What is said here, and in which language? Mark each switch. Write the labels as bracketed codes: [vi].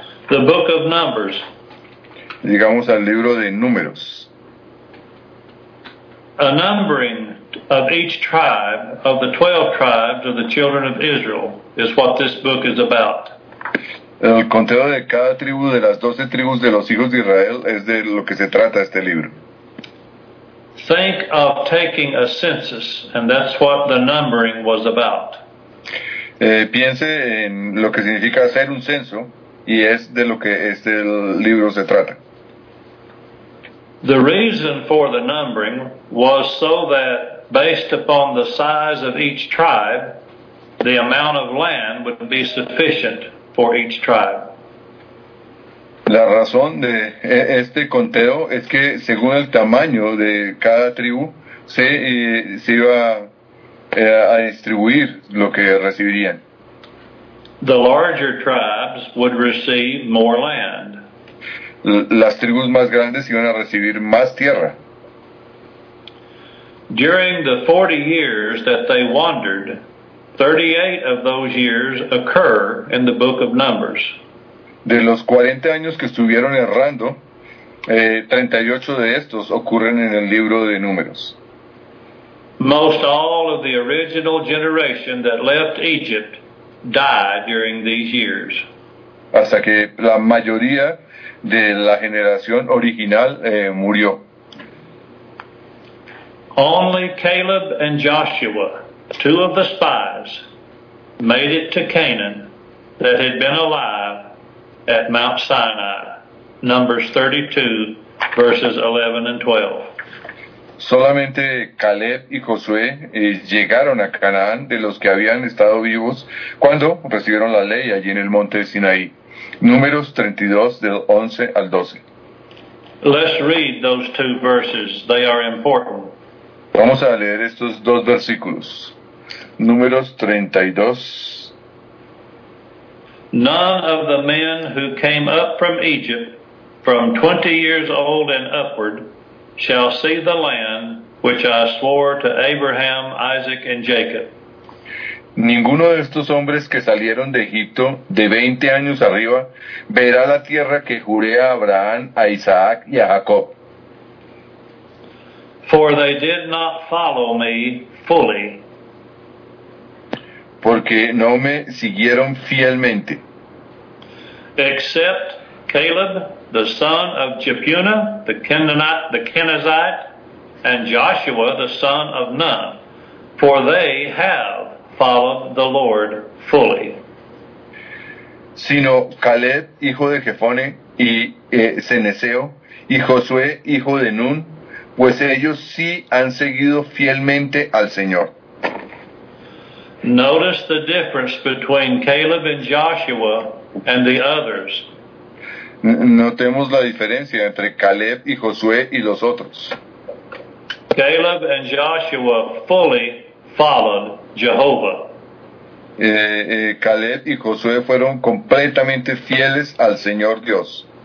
[en] The book of Numbers. [es] Llegamos al libro de Números. [en] A numbering of each tribe, of the 12 tribes of the children of Israel, is what this book is about. [es] El conteo de cada tribu de las 12 tribus de los hijos de Israel es de lo que se trata este libro. [en] Think of taking a census, and that's what the numbering was about. [es] Piense en lo que significa hacer un censo, y es de lo que este libro se trata. [en] The reason for the numbering was so that, based upon the size of each tribe, the amount of land would be sufficient for each tribe. [es] La razón de este conteo es que, según el tamaño de cada tribu, se iba a distribuir lo que recibirían. [en] The larger tribes would receive more land. [es] Las tribus más grandes iban a recibir más tierra. [en] During the 40 years that they wandered, 38 of those years occur in the book of Numbers. [es] De los 40 años que estuvieron errando, 38 de estos ocurren en el libro de Números. [en] Most all of the original generation that left Egypt died during these years. [es] Hasta que la mayoría de la generación original murió. [en] Only Caleb and Joshua, two of the spies, made it to Canaan that had been alive at Mount Sinai. Numbers 32, verses 11 and 12. [es] Solamente Caleb y Josué llegaron a Canaán de los que habían estado vivos cuando recibieron la ley allí en el monte Sinaí. Números 32, del 11 al 12. [en] Let's read those two verses. They are important. [es] Vamos a leer estos dos versículos. Números 32. [en] None of the men who came up from Egypt, from 20 years old and upward, shall see the land which I swore to Abraham, Isaac, and Jacob. [es] Ninguno de estos hombres que salieron de Egipto de 20 años arriba verá la tierra que juré a Abraham, a Isaac y a Jacob. [en] For they did not follow me fully. [es] Porque no me siguieron fielmente. [en] Except Caleb, the son of Jephunneh, the Kenizzite, and Joshua, the son of Nun. For they have followed the Lord fully. [es] Sino Caleb, hijo de Jefone, y Ceneseo, y Josué, hijo de Nun, pues ellos sí han seguido fielmente al Señor. [en] Notice the difference between Caleb and Joshua and the others. [es] Notemos la diferencia entre Caleb y Josué y los otros. [en] Caleb and Joshua fully followed Jehovah. [es] Caleb y Josué fueron completamente fieles al Señor Dios.